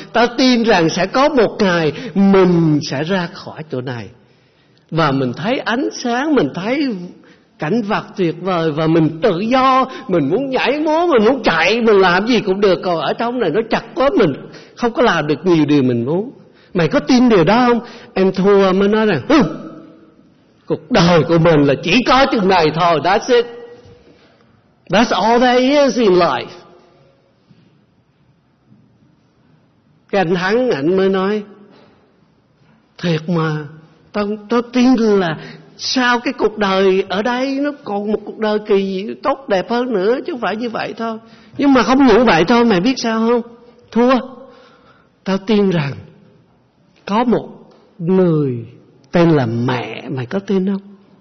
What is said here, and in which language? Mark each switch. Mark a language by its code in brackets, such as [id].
[vi] Tao tin rằng sẽ có một ngày mình sẽ ra khỏi chỗ này, và mình thấy ánh sáng, mình thấy cảnh vật tuyệt vời, và mình tự do, mình muốn nhảy múa, mình muốn chạy, mình làm gì cũng được. Còn ở trong này nó chặt quá, mình không có làm được nhiều điều mình muốn. Mày có tin điều đó không? Em Thua mới nói rằng, cuộc đời của mình là chỉ có chừng này thôi. [en] That's it. That's all there is in life. [vi] Cái anh Thắng anh mới nói, thiệt mà, tao tin là sao cái cuộc đời ở đây nó còn một cuộc đời kỳ tốt đẹp hơn nữa, chứ không phải như vậy thôi. Nhưng mà không những vậy thôi, mày biết sao không? Thua, tao tin rằng có một người tên là mẹ, mày có tin không?